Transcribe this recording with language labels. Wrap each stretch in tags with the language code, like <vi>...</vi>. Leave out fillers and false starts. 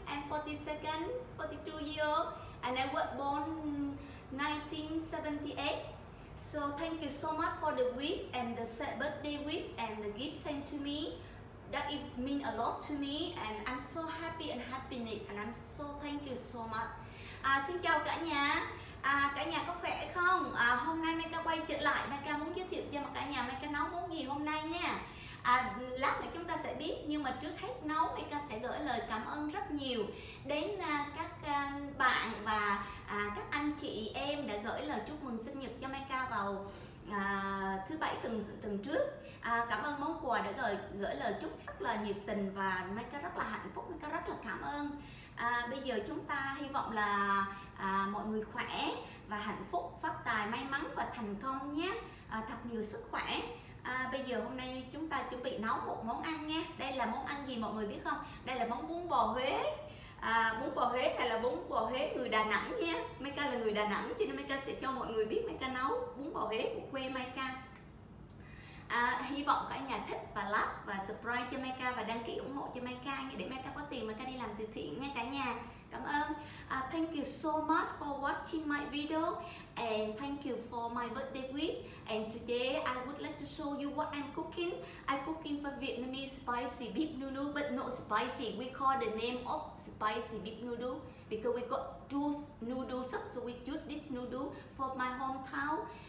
<en>I'm 42nd, 42 year old, and I was born 1978. So thank you so much for the week and the sad birthday week and the gift sent to me. That it mean a lot to me and I'm so happy and happy Nick and I'm so thank you so much.</en> <vi>Xin chào cả nhà. Cả nhà có khỏe không? Hôm nay Mai Ca quay trở lại. Mai Ca muốn giới thiệu cho cả nhà Mai Ca nấu món gì hôm nay nha. Lát nữa chúng ta sẽ biết, nhưng mà trước hết nấu Mai Ca sẽ gửi lời cảm ơn rất nhiều đến các bạn và các anh chị em đã gửi lời chúc mừng sinh nhật cho Mai Ca vào thứ bảy tuần trước. Cảm ơn món quà đã gửi lời chúc rất là nhiệt tình và Mai Ca rất là hạnh phúc, Mai Ca rất là cảm ơn. Bây giờ chúng ta hy vọng là mọi người khỏe và hạnh phúc, phát tài, may mắn và thành công nhé. Thật nhiều sức khỏe. Bây giờ hôm nay chúng ta chuẩn bị nấu một món ăn nha. Đây là món ăn gì mọi người biết không? Đây là món bún bò Huế. Bún bò Huế này là bún bò Huế người Đà Nẵng nha. Mai Ca là người Đà Nẵng cho nên Mai Ca sẽ cho mọi người biết Mai Ca nấu bún bò Huế của quê Mai Ca. Hy vọng cả nhà thích và like và subscribe cho Mai Ca và đăng ký ủng hộ cho Mai Ca để Mai Ca có tiền Mai Ca đi làm từ thiện nha cả nhà. Cảm ơn.</vi> <en>Thank you so much for watching my video and thank you for my birthday week. And today I would like to show you what I'm cooking. I'm cooking for Vietnamese spicy beef noodle, but not spicy. We call the name of spicy beef noodle because we got two noodle sub, so we use this noodle for my hometown.</en>